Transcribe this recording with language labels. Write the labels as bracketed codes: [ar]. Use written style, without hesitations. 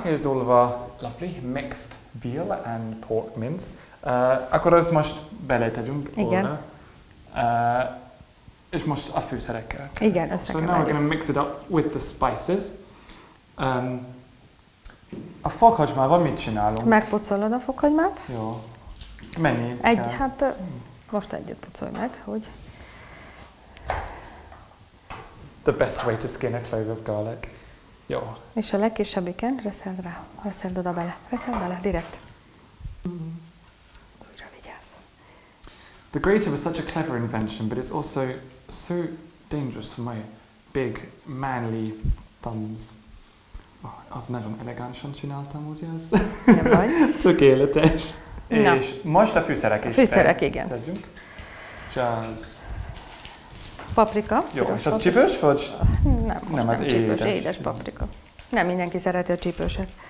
[en] Here's all of our lovely mixed veal and pork mince. [hu] Akkor ezt most beletegyünk volna. Igen. És most a fűszerekkel. Igen, összekeverjük. [en] So now we're going to mix it up with the spices. [hu] A fokhagymával mit csinálunk? Megpucolod a fokhagymát. Jó. Mennyi? Egy, kell? Hát most egyet pucolj meg, hogy... [en] The best way to skin a clove of garlic. [hu] Jó. És a legkisebbiken reszeld rá, reszeld oda bele, reszeld bele, direkt. [en] The grater was such a clever invention, but it's also so dangerous for my big, manly thumbs. [hu] Oh, az nagyon elegánsan csináltam, ugye az? Tökéletes. Na. És most a fűszerek is. Fűszerek, igen. Tegyünk. Jazz. Paprika. Jó, és az csípős, vagy? Nem, az csípős, édes paprika. Nem mindenki szereti a csípőset.